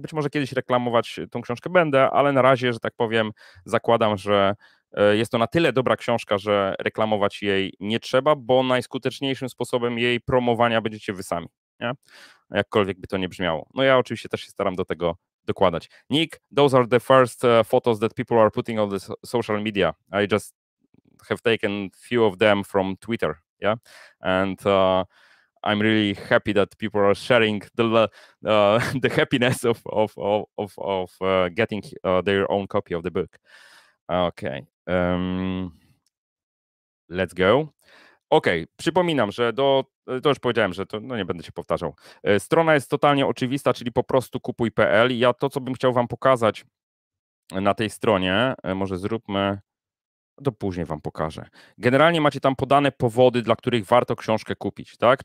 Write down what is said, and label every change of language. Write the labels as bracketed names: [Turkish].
[Polish] Być może kiedyś reklamować tą książkę będę, ale na razie, że tak powiem, zakładam, że jest to na tyle dobra książka, że reklamować jej nie trzeba, bo najskuteczniejszym sposobem jej promowania będziecie wy sami, nie? Jakkolwiek by to nie brzmiało. No ja oczywiście też się staram do tego dokładać. [English] Nick, those are the first photos that people are putting on the social media. I just have taken few of them from Twitter, yeah? And I'm really happy that people are sharing the happiness of getting their own copy of the book. Okay. Let's go. Okej, okay. [Polish] Przypominam, że to już powiedziałem, że to no nie będę się powtarzał. Strona jest totalnie oczywista, czyli po prostu kupuj.pl. Ja to, co bym chciał wam pokazać na tej stronie, może zróbmy, to później wam pokażę. Generalnie macie tam podane powody, dla których warto książkę kupić, tak?